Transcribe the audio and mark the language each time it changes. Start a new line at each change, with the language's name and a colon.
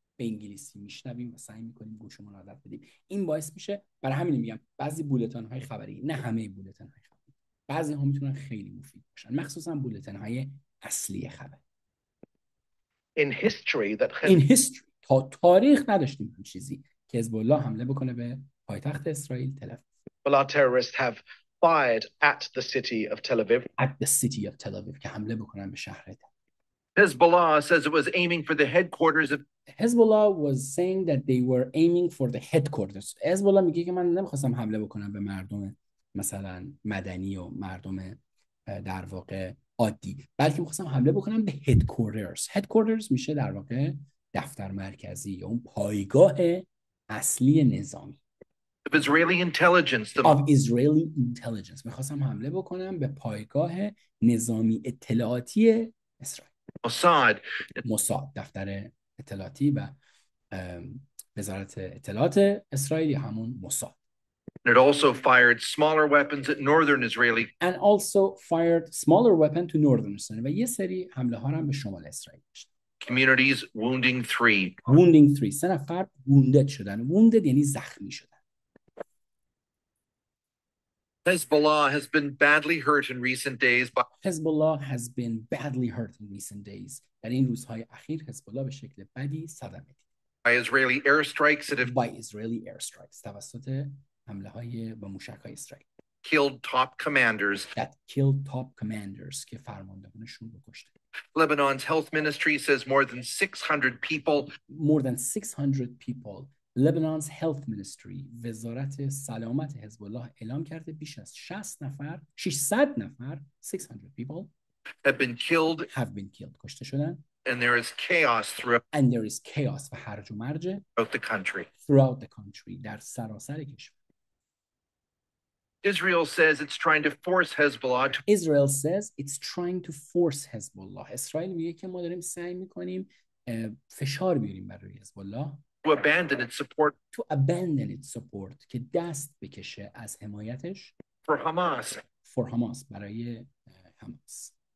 Persian: به انگلیسی میشنویم و سعی میکنیم گوشمون رو عادت بدیم. این باعث میشه، برای همین میگم بعضی بولتن های خبری، نه همه بولتن های خبری، بعضی ها میتونن خیلی مفید باشن، مخصوصا بولتن های اصلی خبر.
English: In history that In history،
Persian: تا تاریخ نداشتیم این چیزی که حزب الله حمله بکنه به پایتخت اسرائیل تل اویو.
English: Well, our terrorists have fired at the city of Tel Aviv. At the city of Tel Aviv,
Persian: که حمله بکنن به شهر تل.
English: Hezbollah says it was aiming for the headquarters of Hezbollah was saying that they were aiming for the headquarters.
Persian: Hezbollah میگه که من نمیخواستم حمله بکنم به مردم مثلا مدنی و مردم در واقع عادی، بلکه میخواستم حمله بکنم به headquarters. Headquarters میشه در واقع دفتر مرکزی یا اون پایگاه اصلی نظامی.
English: Of Israeli intelligence.
Persian: میخواستم حمله بکنم به پایگاه نظامی اطلاعاتی اسرائیل. موساد، دفتر اطلاعاتی و وزارت اطلاعات اسرائیل، همون موساد.
English: It also fired smaller weapons at northern Israeli. And also fired smaller weapon to northern Israel.
Persian: و یه سری حمله ها هم به شمال اسرائیل داشت.
English: Communities wounding three. Wounding three.
Persian: سه نفر wounded شدن. Wounded یعنی زخمی شدن.
English: Hezbollah has been badly hurt in recent days. Hezbollah has been badly hurt in recent days.
Persian: در این روزهای اخیر Hezbollah به شکل بدی صدمه دید.
English: By Israeli airstrikes that have by Israeli airstrikes.
Persian: توسط حمله های با موشک های اسرائیل.
English: Killed top commanders. That killed top commanders
Persian: که فرماندهانشون رو کشته.
English: Lebanon's health ministry says more than 600 people. More than 600 people. Lebanon's health ministry،
Persian: وزارت سلامت حزب الله اعلام کرده بیش از 60 نفر، 600 نفر،
English: 600 people have been killed،
Persian: کشته شدن.
English: And there is chaos throughout and there is chaos
Persian: و هرج و مرج
English: throughout the country، throughout the country،
Persian: در سراسر کشور.
English: Israel says it's trying to force Hezbollah to Israel says it's trying to force Hezbollah.
Persian: اسرائیل میگه که ما داریم سعی میکنیم فشار بیاریم بر روی حزب الله.
English: To abandon its support. To abandon its support.
Persian: که دست بکشه از حمایتش.
English: For Hamas. For Hamas.
Persian: برای حماس.